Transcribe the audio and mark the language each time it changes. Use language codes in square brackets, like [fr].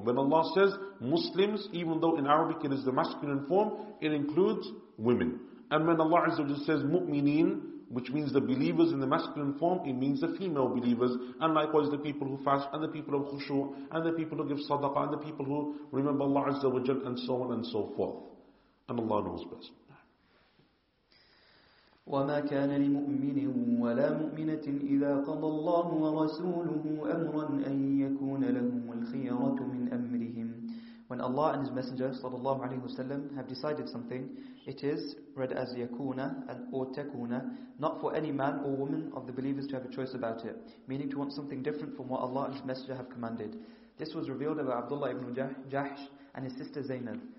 [en] When Allah says Muslims, even though in Arabic it is the masculine form, it includes women. And when Allah [ar] Azza wa Jalla [en] says mu'mineen, which means the believers in the masculine form, it means the female believers. And likewise the people who fast, and the people of khushu', and the people who give sadaqah, and the people who remember [ar] Allah Azza wa Jalla, [en] and so on and so forth. And Allah knows best. [ar] وما كان لمؤمن ولا مؤمنة إذا قضى الله ورسوله أمرا أن يكون لهم الخيرة من أمرهم. [en] When Allah and His Messenger [ar] صلى الله عليه وسلم [en] have decided something, it is read as يكون and or تكون, not for any man or woman of the believers to have a choice about it, meaning to want something different from what Allah and His Messenger have commanded. This was revealed about Abdullah ibn Jahsh and his sister Zainab.